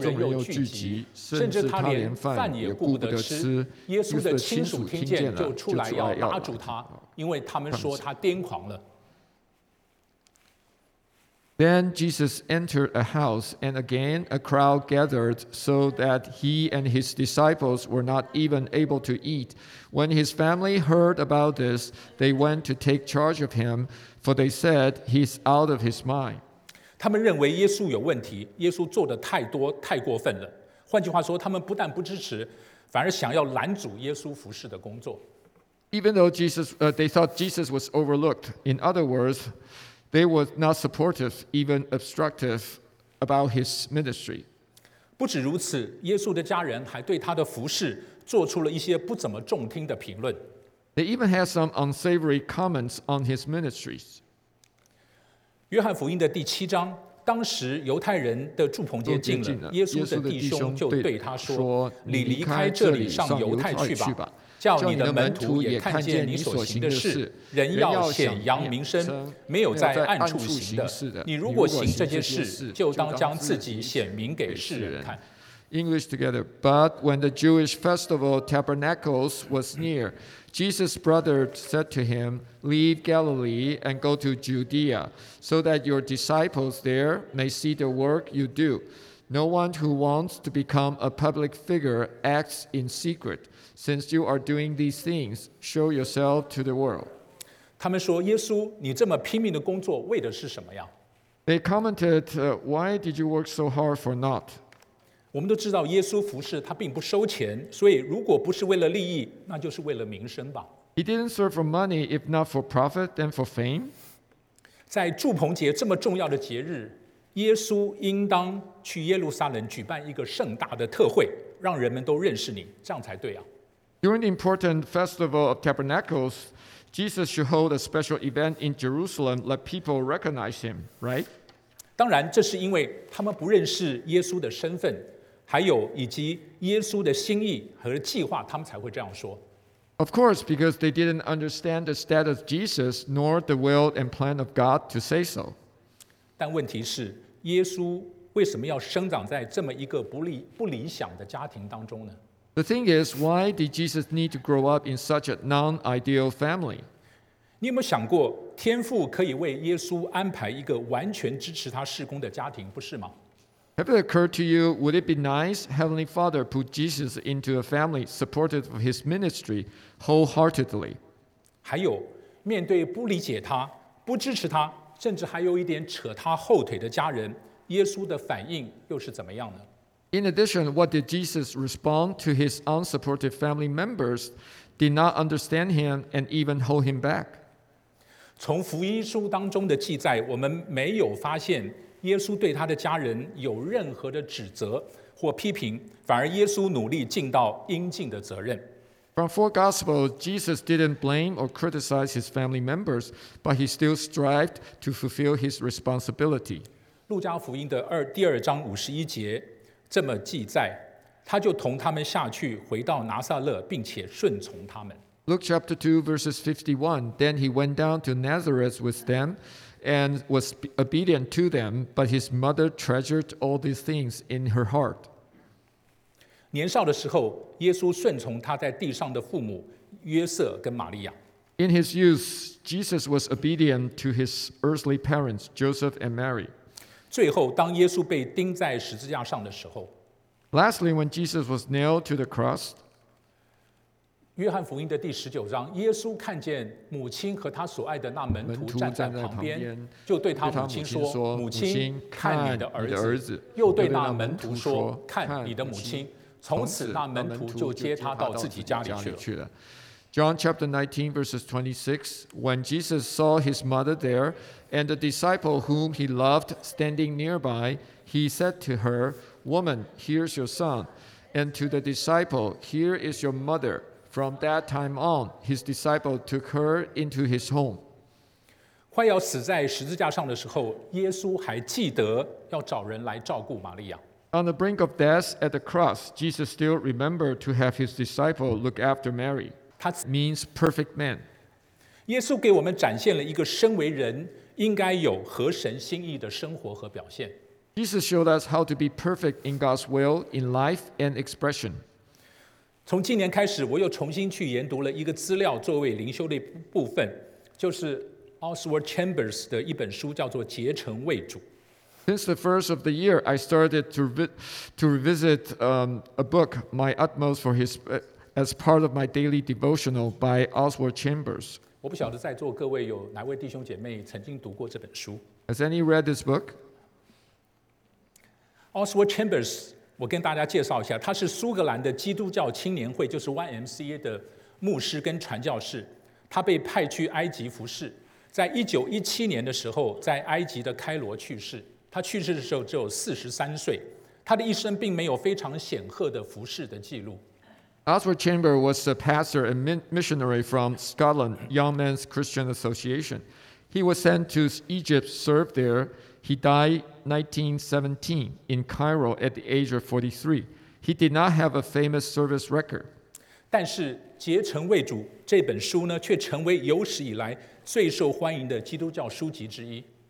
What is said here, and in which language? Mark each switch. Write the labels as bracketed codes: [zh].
[zh] 人又聚集，甚至他连饭也顾不得吃。耶稣的亲属听见了，就出来要拉住他，因为他们说他癫狂了。 [en] Then Jesus entered a house, and again a crowd gathered, so that he and his disciples were not even able to eat. When his family heard about this, they went to take charge of him. For they said, he's out of his mind. [zh] 他们认为耶稣有问题，耶稣做的太多，太过分了。换句话说，他们不但不支持，反而想要拦阻耶稣服事的工作。 [en] Even though they thought Jesus was overlooked. In other words, they were not supportive, even obstructive about his ministry. [zh] 不止如此，耶稣的家人还对他的服事做出了一些不怎么中听的评论。 [en] They even had some unsavory comments on his ministries. [zh] 约翰福音的第七章，当时犹太人的祝棚节近了，耶稣的弟兄就对他说：“ 你离开这里上犹太去吧，叫你的门徒也看见你所行的事。人要显扬名声，没有在暗处行的。你如果行这些事，就当将自己显明给世人看。” [en] English together. But when the Jewish festival Tabernacles was near. Jesus' brother said to him, Leave Galilee and go to Judea, so that your disciples there may see the work you do. No one who wants to become a public figure acts in secret. Since you are doing these things, show yourself to the world. [zh] 他们说，耶稣，你这么拼命的工作，为的是什么呀？ [en] They commented, why did you work so hard for not? [zh] 我们都知道耶稣服事他并不收钱，所以如果不是为了利益，那就是为了名声吧。 [en] He didn't serve for money, if not for profit, then for fame. [zh] 在祝棚节这么重要的节日，耶稣应当去耶路撒冷举办一个盛大的特会，让人们都认识你，这样才对啊。 [en] During the important festival of Tabernacles, Jesus should hold a special event in Jerusalem, let people recognize him, right? [zh] 当然，这是因为他们不认识耶稣的身份，还有以及耶稣的心意和计划，他们才会这样说。 [en] Of course, because they didn't understand the status of Jesus, nor the will and plan of God to say so. [zh] 但问题是，耶稣为什么要生长在这么一个不理想的家庭当中呢？ [en] The thing is, why did Jesus need to grow up in such a non-ideal family? [zh] 你有没有想过，天父可以为耶稣安排一个完全支持他事工的家庭，不是吗？ [en] Have it occurred to you, would it be nice, Heavenly Father put Jesus into a family supportive of his ministry wholeheartedly? [zh] 还有，面对不理解他、不支持他，甚至还有一点扯他后腿的家人，耶稣的反应又是怎么样呢？ [en] In addition, what did Jesus respond to his unsupportive family members, did not understand him, and even hold him back? [zh] 从福音书当中的记载，我们没有发现耶稣对他的家人有任何的指责或批评，反而耶稣努力尽到应尽的责任。 [en] From four Gospels, Jesus didn't blame or criticize his family members, but he still strived to fulfill his responsibility. [zh] 路加福音的第二章五十一节这么记载，他就同他们下去，回到拿撒勒，并且顺从他们。 [en] Luke chapter 2, verses 51. Then he went down to Nazareth with them and was obedient to them, but his mother treasured all these things in her heart. [zh] 年少的时候，耶稣顺从他在地上的父母约瑟跟玛利亚。 [en] In his youth, Jesus was obedient to his earthly parents, Joseph and Mary. [zh] 最后，当耶稣被钉在十字架上的时候 [en] ，Lastly, when Jesus was nailed to the cross, [zh] 约翰福音的第十九章，耶稣看见母亲和他所爱的那门徒站在旁边，就对他母亲说：“ 母亲，看你的儿子。儿子” 又对那门徒说：“ 看你的母亲。” 从此，那门徒就接他到自己家里去了。 [en] John chapter 19, verses 26, when Jesus saw his mother there and the disciple whom he loved standing nearby, he said to her, Woman, here's your son. And to the disciple, Here is your mother. From that time on, his disciple took her into his home. [zh] 快要死在十字架上的时候，耶稣还记得要找人来照顾玛利亚。 [en] On the brink of death at the cross, Jesus still remembered to have his disciple look after Mary. Means perfect man. [zh] 耶稣给我们展现了一个身为人应该有合神心意的生活和表现。 [en] Jesus showed us how to be perfect in God's will in life and expression. [zh] 从今年开始，我又重新去研读了一个资料作为灵修的部分，就是 Oswald Chambers 的一本书，叫做《竭诚为主》。 [en] Since the first of the year, I started to revisit a book, My Utmost for His. As part of my daily devotional by Oswald Chambers. [zh] 我不晓得在座各位有哪位弟兄姐妹曾经读过这本书。 [en] Has any read this book? [zh] Oswald Chambers, 我跟大家介绍一下，他是苏格兰的基督教青年会，就是 YMCA 的牧师跟传教士。他被派去埃及服事，在1917年的时候，在埃及的开罗去世。他去世的时候只有43岁，他的一生并没有非常显赫的服事的记录。 [en] Oswald Chambers was a pastor and missionary from Scotland Young Men's Christian Association. He was sent to Egypt to serve there. He died in 1917 in Cairo at the age of 43. He did not have a famous service record. [zh] 但是《竭诚为主》这本书呢，却成为有史以来最受欢迎的基督教书籍之一。